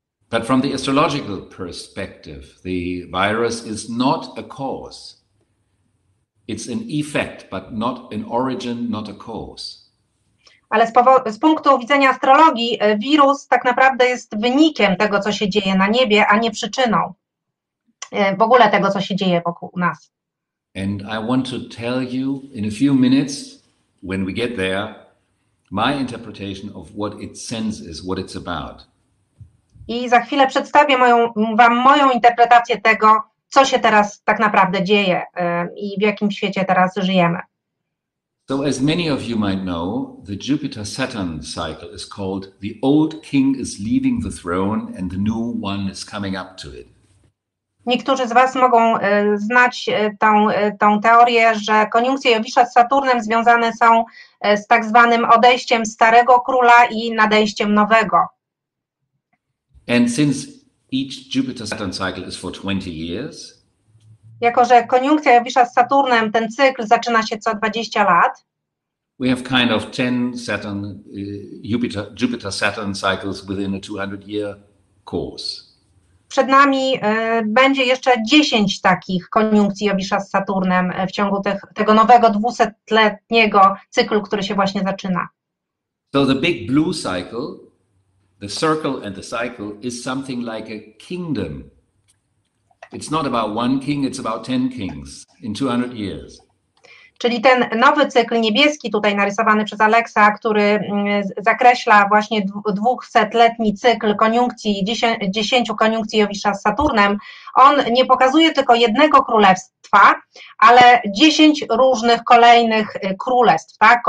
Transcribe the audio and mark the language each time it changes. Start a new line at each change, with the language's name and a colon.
English: But from the astrological perspective, the virus is not a cause. It's an effect, but not an origin, not a cause.
Polish: Ale z punktu widzenia astrologii, wirus tak naprawdę jest wynikiem tego, co się dzieje na niebie, a nie przyczyną w ogóle tego, co się dzieje wokół nas.
English: And I want to tell you in a few minutes, when we get there, my interpretation of what it sends is, what it's about.
Polish: I za chwilę przedstawię wam moją interpretację tego, co się teraz tak naprawdę dzieje i w jakim świecie teraz żyjemy.
English: So as many of you might know, the Jupiter-Saturn cycle is called the old king is leaving the throne and the new one is coming up to it.
Polish: Niektórzy z was mogą znać tą teorię, że koniunkcje Jowisza z Saturnem związane są z tak zwanym odejściem starego króla i nadejściem nowego.
English: And since each Jupiter-Saturn cycle is for 20 years,
Polish: jako że koniunkcja Jowisza z Saturnem, ten cykl zaczyna się co 20 lat,
English: we have kind of 10 Saturn, Jupiter-Saturn cycles within a 200-year course.
Polish: Przed nami będzie jeszcze 10 takich koniunkcji Jowisza z Saturnem w ciągu tego nowego 200-letniego cyklu, który się właśnie zaczyna.
English: So the big blue cycle, the circle and the cycle is something like a kingdom. It's not about one king, it's about 10 kings in 200 years.
Polish: Czyli ten nowy cykl niebieski tutaj narysowany przez Aleksa, który zakreśla właśnie 200-letni cykl koniunkcji, 10 koniunkcji Jowisza z Saturnem, on nie pokazuje tylko jednego królestwa, ale 10 różnych kolejnych królestw, tak?